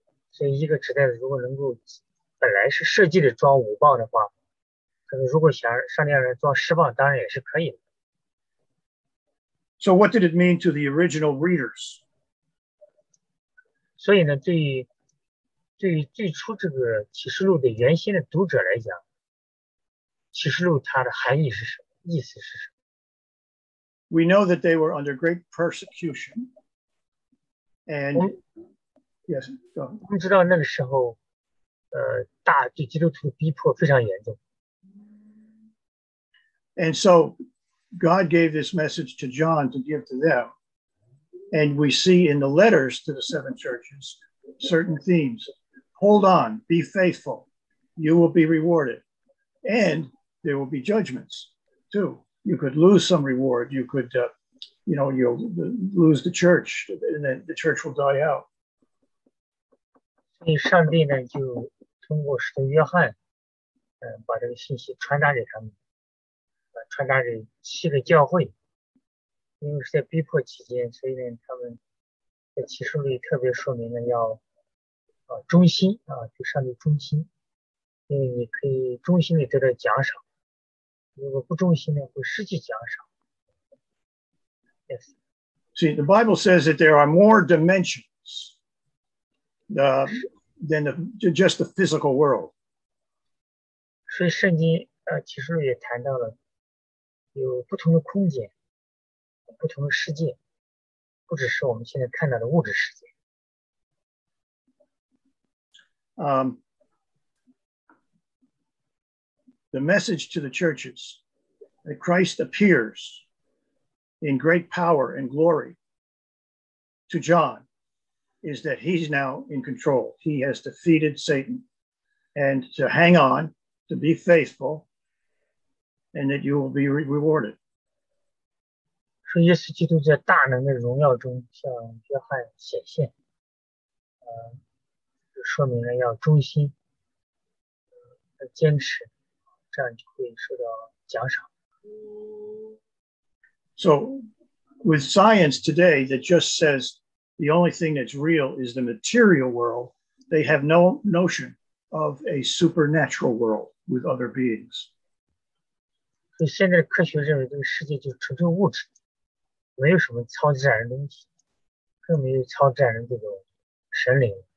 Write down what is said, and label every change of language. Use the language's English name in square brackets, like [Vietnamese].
[Chinese] 所以一个纸袋子如果能够本来是设计的装5磅的话，可能如果想上量来装10磅，当然也是可以的。 [English] So what did it mean to the original readers? [Chinese] 所以呢，对于最初这个启示录的原先的读者来讲，启示录它的含义是什么？意思是什么？ [English] we know that they were under great persecution. And yes, go ahead. [Chinese] 我们知道那个时候，大对基督徒逼迫非常严重。 [English] And so God gave this message to John to give to them. And we see in the letters to the seven churches certain themes. Hold on, be faithful, you will be rewarded. And there will be judgments too. You could lose some reward. You could, you know, you'll lose the church and then the church will die out. [Chinese] 所以上帝呢就通过使徒约翰把这个信息传达给他们。传达给七个教会，因为是在逼迫期间，所以呢，他们在启示里特别说明了要忠心啊，对上帝忠心，因为你可以忠心地得到奖赏，如果不忠心呢，会失去奖赏。 [English] Yes. See, the Bible says that there are more dimensions than the, just the physical world. [Chinese] 所以圣经启示里也谈到了。有不同的空间，不同的世界，不只是我们现在看到的物质世界。 [English] The message to the churches that Christ appears in great power and glory to John is that he's now in control. He has defeated Satan, and to hang on, to be faithful. And that you will be rewarded. [Chinese] 说耶稣基督在大能的荣耀中向约翰显现，说明了要忠心，坚持，这样就会受到奖赏。 [English] So, with science today that just says the only thing that's real is the material world, they have no notion of a supernatural world with other beings. [Chinese] 所以现在科学认为这个世界就纯粹物质，没有什么超自然的东西，更没有超自然的这种神灵。